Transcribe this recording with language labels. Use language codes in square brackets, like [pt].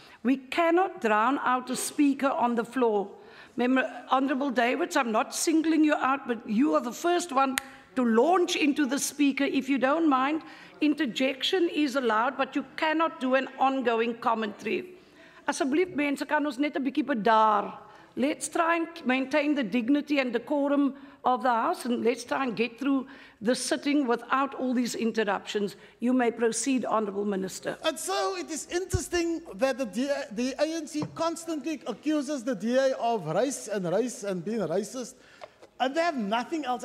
[en] We cannot drown out a speaker on the floor. Member, Honourable Davids, I'm not singling you out, but you are the first one to launch into the speaker. If you don't mind, interjection is allowed, but you cannot do an ongoing commentary. [af] Asseblief mense, kan ons net 'n bietjie bedaar. [en] Let's try and maintain the dignity and decorum of the House, and let's try and get through the sitting without all these interruptions. You may proceed, Honourable Minister. And so it is interesting that the ANC constantly accuses the DA of race and being racist, and they have nothing else.